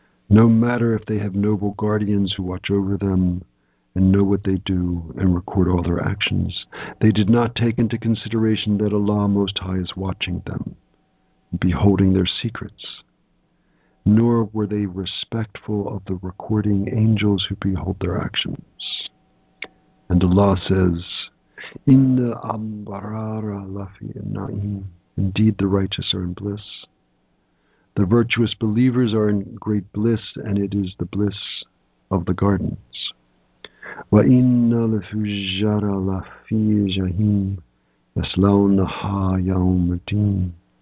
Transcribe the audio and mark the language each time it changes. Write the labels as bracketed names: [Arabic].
[English] No matter if they have noble guardians who watch over them and know what they do and record all their actions, they did not take into consideration that Allah Most High is watching them, beholding their secrets, nor were they respectful of the recording angels who behold their actions. And Allah says, [Arabic] إِنَّ الْأَبْرَارَ لَفِي النَّعِيمِ. [English] Indeed, the righteous are in bliss. The virtuous believers are in great bliss, and it is the bliss of the gardens. [Arabic] وَإِنَّ الْفُجَّارَ لَفِي جَهِيمٍ يَصْلَوْنَهَا يَوْمَ الدِّينِ.